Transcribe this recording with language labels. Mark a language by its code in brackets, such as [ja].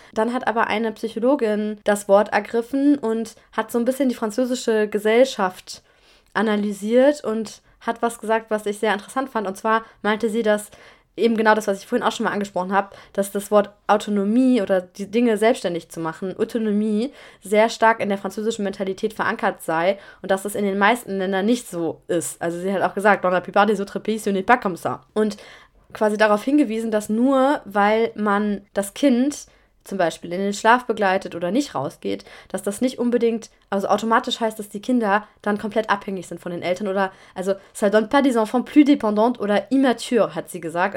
[de] Dann hat aber eine Psychologin das Wort ergriffen und hat so ein bisschen die französische Gesellschaft analysiert und hat was gesagt, was ich sehr interessant fand. Und zwar meinte sie, dass eben genau das, was ich vorhin auch schon mal angesprochen habe, dass das Wort Autonomie oder die Dinge selbstständig zu machen, Autonomie, sehr stark in der französischen Mentalität verankert sei und dass das in den meisten Ländern nicht so ist. Also sie hat auch gesagt, [fr] dans la plupart des autres pays, ce n'est pas comme ça. [de] Und quasi darauf hingewiesen, dass nur weil man das Kind zum Beispiel in den Schlaf begleitet oder nicht rausgeht, dass das nicht unbedingt, also automatisch heißt, dass die Kinder dann komplett abhängig sind von den Eltern oder, also, [fr] ça donne pas des enfants plus dépendants [de] oder immature, hat sie gesagt.